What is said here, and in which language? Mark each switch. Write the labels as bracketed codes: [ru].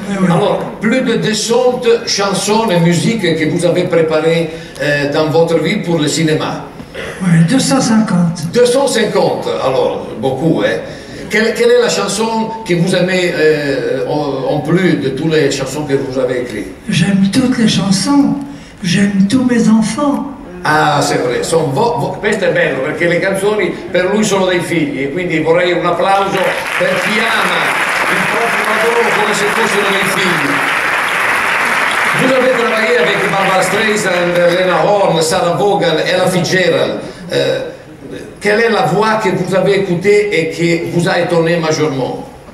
[fr] Alors, plus de 200 chansons et musiques que vous avez préparées dans votre vie pour le cinéma. Oui, 250. 250, alors, beaucoup, hein. Quelle est la chanson que vous aimez en plus de toutes les chansons que vous avez écrites? J'aime toutes les chansons. J'aime tous mes enfants. Ah, c'est vrai. [it] Questo è bello perché le canzoni per lui sono dei figli e quindi vorrei un applauso per chi ama il proprio lavoro come se fossero dei figli. [fr] Vous avez travaillé avec Barbara Streisand, Lena Horne, Sarah Vaughan, Ella Fitzgerald. Quelle est la voix que vous avez écoutée et qui vous a étonné majeurement?